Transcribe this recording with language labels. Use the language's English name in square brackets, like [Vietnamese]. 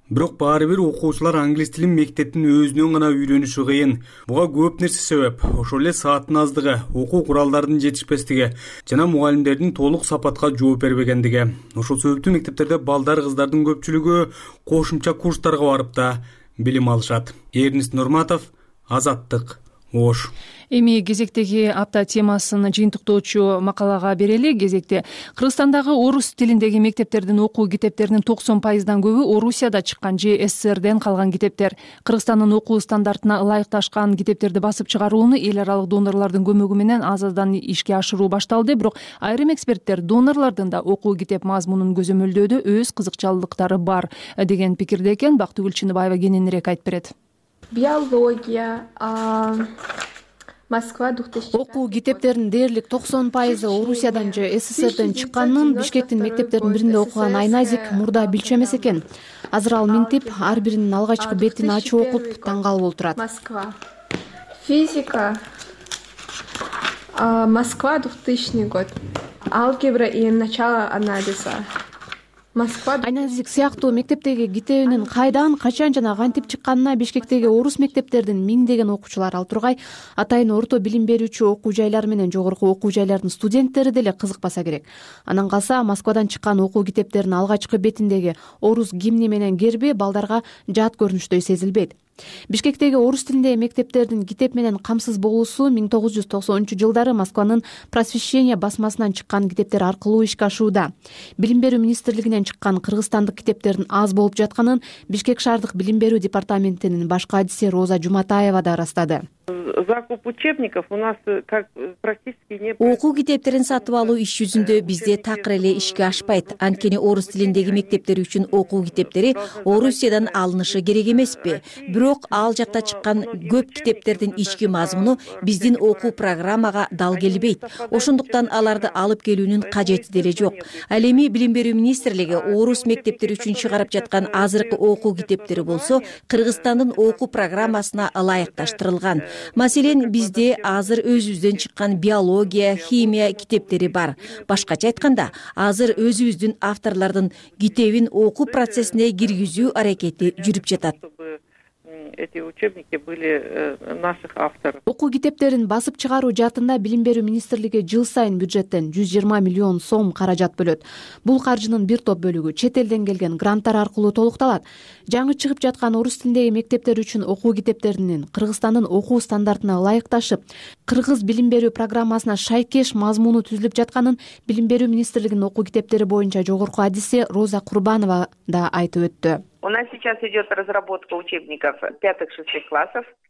[Kyrgyz] Бирок баары бир окуучулар англис тилин мектептин өзүнөн гана үйрөнүшү кыйын. Буга көп нерсе себеп. Ошол эле сааттын аздыгы, окуу куралдардын жетишпестиги жана мугалимдердин толук сапатка жооп бербегендиги. Ошол себептүү мектептерде балдар, кыздардын көпчүлүгү кошумча курстарга барып да билим алышат. Эрнис Нурматов, Азаттык, Ош. Эми кезектеги апта темасын жыйынтыктоочу макалага берели. Кезекте Кыргызстандагы орус тилиндеги мектептердин окуу китептеринин 90% көбү Орусияда чыккан же СССРден калган китептер. Кыргызстандын окуу стандартына ылайыкташкан китептерди басып чыгарууну эл аралык донорлордун көмөгү менен аз аздан ишке ашыруу башталды. Бирок айрым эксперттер донорлордун да окуу китеп мазмунун көзөмөлдөөдө өз кызыкчалдыктары бар деген пикирде экен. Бактыгүл Чыныбаева кененирээк айтып берет. Биология, Москва, 2005. Окуу китептердин дээрлик 90% Орусиядан же СССРден чыкканын Бишкектин мектептердин биринде окуган Айназик мурда билчү эмес экен. Азыр ал минтип ар биринин алгачкы бетин ачып окуп таң калып отурат. Москва. Физика. [Russian] Москва, 2000 год. Алгебра и начало анализа. [Kyrgyz] Москва. Айназик сыяктуу мектептеги китебинин кайдан, качан жана кантип чыкканына Бишкектеги орус мектептердин миңдеген окуучулары ал тургай, атайын орто билим берүүчү окуу жайлар менен жогорку окуу жайлардын студенттери деле кызыкпаса керек. Анан калса Москвадан чыккан окуу китептеринин алгачкы бетиндеги орус гимни менен герби балдарга жат көрүнүштөй сезилбейт. Бишкектеги орус тилинде мектептердин китеп менен камсыз болуусу 1990 жылдары Москванын Просвещение басмасынан чыккан китептер аркылуу ишке ашууда. Билим берүү министрлигинен чыккан кыргызстандык китептердин аз болуп жатканын Бишкек шаардык билим берүү департаментинин башкы адиси Роза Жуматаева да ырастады. [Russian] Закуп учебников у нас как практически не. [Kyrgyz] Окуу китептерин сатып алуу иш жүзүндө бизде такыр эле ишке ашпайт. Анткени орус тилиндеги мектептер үчүн окуу китептери Орусиядан алынышы керек эмеспи? Бирок ал жакта чыккан көп китептердин ички мазмуну биздин окуу программага дал келбейт. Ошондуктан аларды алып келүүнүн кажети деле жок. Ал эми Билим берүү министрлиги орус мектептер үчүн чыгарып жаткан азыркы окуу китептери болсо, Кыргызстандын окуу программасына ылайыкташтырылган. Маселен, бизде азыр өзүбүздөн чыккан биология, химия китептери бар. Башкача айтканда, азыр өзүбүздүн авторлордун китебин окуу процессине киргизүү аракети жүрүп жатат. [Russian] Эти учебники были наших авторов. [Kyrgyz] Окуу китептерин басып чыгаруу жаатында Билим берүү министрлиги жыл сайын бюджеттен 120 миллион сом каражат бөлөт. Бул каржынын бир топ бөлүгү чет элден келген гранттар аркылуу толукталат. Жаңы чыгып жаткан орус тилиндеги мектептер үчүн окуу китептеринин Кыргызстандын окуу стандартына ылайыкташып, кыргыз билим берүү программасына шайкеш мазмуну түзүлүп жатканын Билим берүү министрлигинин окуу китептери боюнча жогорку адиси Роза Курбанова да айтып өттү. [Russian] У нас сейчас идет разработка учебников 5-6 классов.